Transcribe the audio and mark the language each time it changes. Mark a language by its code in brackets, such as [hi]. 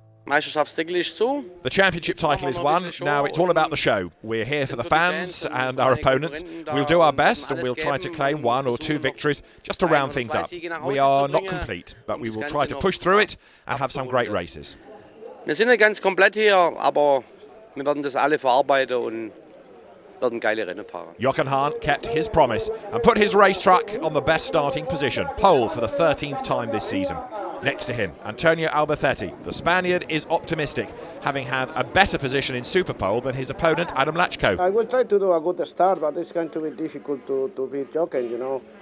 [en] The championship title is won, now it's all about the show. We're here for the fans and our opponents. We'll do our best and we'll try to claim one or two victories just to round things up. We are not complete, but we will try to push through it and have some great races. [de] Wir sind nicht ganz komplett hier, aber wir werden das alle verarbeiten und werden geile Rennen fahren. [en] Jochen Hahn kept his promise and put his racetrack on the best starting position, pole for the 13th time this season. Next to him, Antonio Albacete. The Spaniard is optimistic, having had a better position in Super Pole than his opponent, Adam Latchko. I will try to do a good start, but it's going to be difficult to beat Jochen, you know.